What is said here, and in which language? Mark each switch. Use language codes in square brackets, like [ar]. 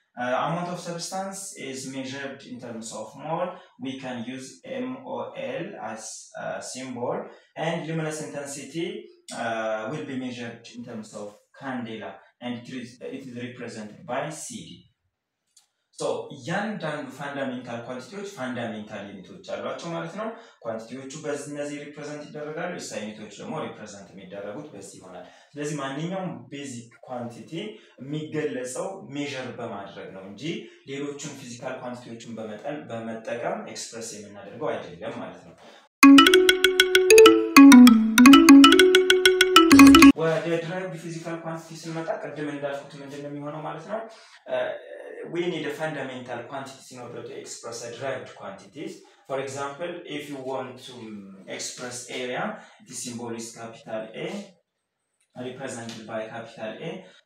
[en] Amount of substance is measured in terms of mole, we can use M or L as a symbol, and luminous intensity will be measured in terms of candela. and it is represented by CD. So, [am] እያንዳንዱ ፋንዳሜንታል ኳንቲቲዎች ፋንዳሜንታል ዩኒቶች አሏቸው ማለት ነው። ኳንቲቲዎቹ በዚህ ሪፕሬዘንት ይደረጋሉ፣ እሳ ዩኒቶች ደግሞ ሪፕሬዘንት የሚደረጉት በዚህ ይሆናል። ስለዚህ ማንኛውም ቤዚክ ኳንቲቲ የሚገለጸው ሜዥር በማድረግ ነው እንጂ ሌሎችን ፊዚካል ኳንቲቲዎችን በመጠቀም ኤክስፕረስ የምናደርገው አይደለም ማለት ነው። ወደ ድራይቭድ ፊዚካል ኳንቲቲስ መጣ። ቀደም እንዳልኩት ምንድን ነው የሚሆነው ማለት ነው? [en] We need a fundamental quantities in order to express a derived quantities. For example, if you want to express area, the symbol is capital A, represented by capital A.